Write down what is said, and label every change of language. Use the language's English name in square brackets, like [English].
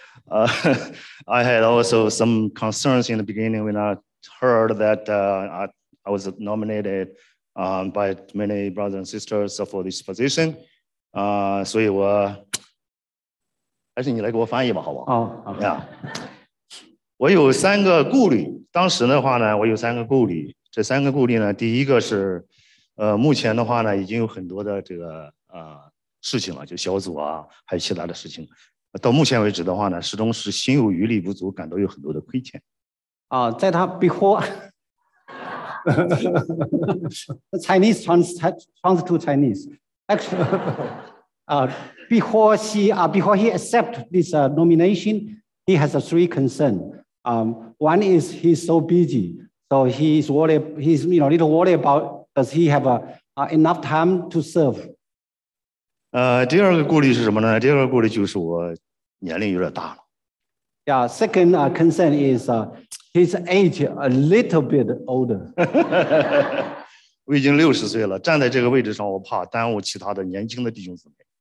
[English] I had also some concerns in the beginning when I heard that I was nominated. By many brothers and sisters for this position. [Chinese] 所以我还是你来给我翻译吧，好不好？ [English] 好、oh, okay. yeah. [Chinese] 我有三个顾虑，当时的话呢，我有三个顾虑。这三个顾虑呢，第一个是目前的话呢，已经有很多的这个事情了，就小组啊，还有其他的事情。到目前为止的话呢，始终是心有余力不足，感到有很多的亏欠。在他 before... [English] Chinese translate to Chinese. Actually, before he accept this nomination, he has three concern. One is he's so busy, so he's worried. He's you know a little worried about does he have enough time to serve. [Chinese] 第二个顾虑是什么呢？第二个顾虑就是我年龄有点大了。 [English] Yeah, second concern is. His age a little bit older. [Chinese] 我已经六十岁了，站在这个位置上，我怕耽误其他的年轻的弟兄姊妹。